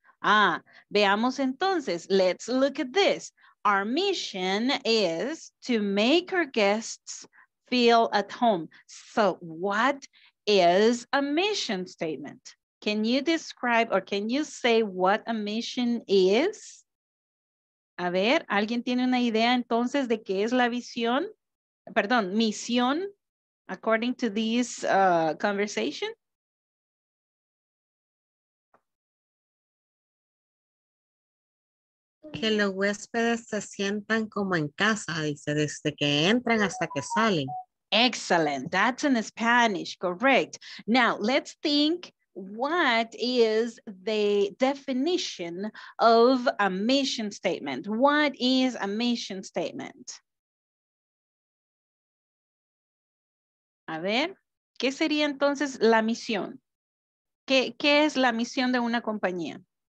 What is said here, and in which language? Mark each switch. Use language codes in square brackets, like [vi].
[en] Ah, [es] veamos entonces, [en] let's look at this. Our mission is to make our guests feel at home. So what is a mission statement? Can you describe or can you say what a mission is? [es] A ver, ¿alguien tiene una idea entonces de qué es la visión? Perdón, misión, [en] according to this conversation? [es] Que los huéspedes se sientan como en casa, dice, desde que entran hasta que salen. [en] Excellent. That's in Spanish. Correct. Now, let's think what is the definition of a mission statement. What is a mission statement? [es] A ver, ¿qué sería entonces la misión? ¿Qué es la misión de una compañía?